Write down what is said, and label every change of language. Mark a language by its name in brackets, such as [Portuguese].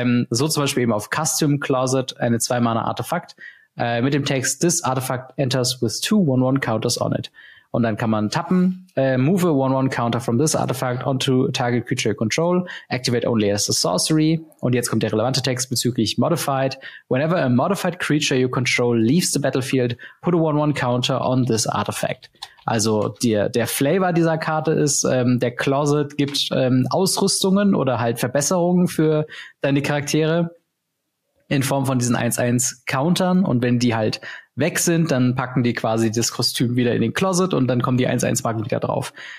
[German] So zum Beispiel eben auf Costume Closet, eine 2-Mana-Artefakt, mit dem Text, [English] this artifact enters with 2-1-1 counters on it. [German] Und dann kann man tappen, [English] move a 1-1 counter from this artifact onto target creature control, activate only as a sorcery. [German] Und jetzt kommt der relevante Text bezüglich modified. [English] Whenever a modified creature you control leaves the battlefield, put a 1-1 counter on this artifact. [German] Also der Flavor dieser Karte ist, der Closet gibt Ausrüstungen oder halt Verbesserungen für deine Charaktere in Form von diesen 1-1 Countern. Und wenn die halt weg sind, dann packen die quasi das Kostüm wieder in den Closet und dann kommen die 1-1-Marken wieder drauf.